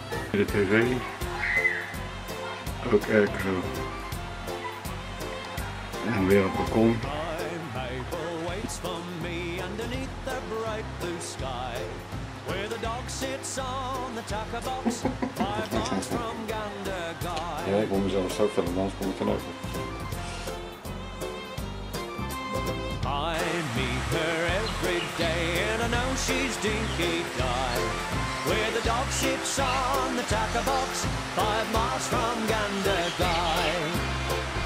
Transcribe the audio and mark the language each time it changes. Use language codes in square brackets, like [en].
[nl] De tv. Ook airco. En weer op balkon. [en] Maple waits for me underneath the bright blue sky. Where the dog sits on the tucker box. 5 miles from Gundagai. [nl] Ja, ik moet mezelf zo vullen, anders kom ik er nooit op. [en] I meet her every day and I know she's dinky die. Where the dog sits on the tucker box. 5 miles from Gundagai.